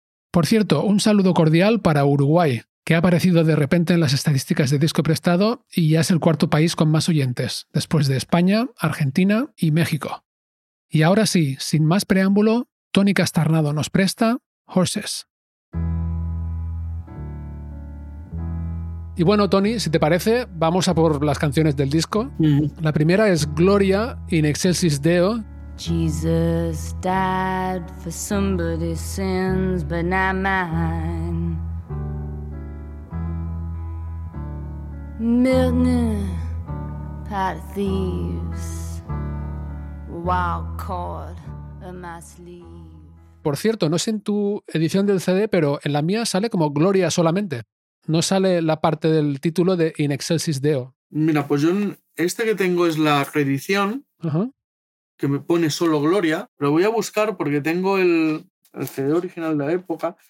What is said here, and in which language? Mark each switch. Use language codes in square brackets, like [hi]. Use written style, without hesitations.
[es] Por cierto, un saludo cordial para Uruguay, que ha aparecido de repente en las estadísticas de Disco Prestado y ya es el cuarto país con más oyentes, después de España, Argentina y México. Y ahora sí, sin más preámbulo, Tony Castarnado nos presta Horses. Y bueno, Tony, si te parece, vamos a por las canciones del disco. La primera es Gloria in Excelsis Deo. [en] Jesus died for somebody's sins, but not mine. Milton, pot of thieves, wild cord on my sleeve. [es] Por cierto, no sé en tu edición del CD, pero en la mía sale como Gloria solamente. No sale la parte del título de In Excelsis Deo. Mira, pues yo este que tengo es la reedición, que me pone solo Gloria. Lo voy a buscar porque tengo el CD original de la época.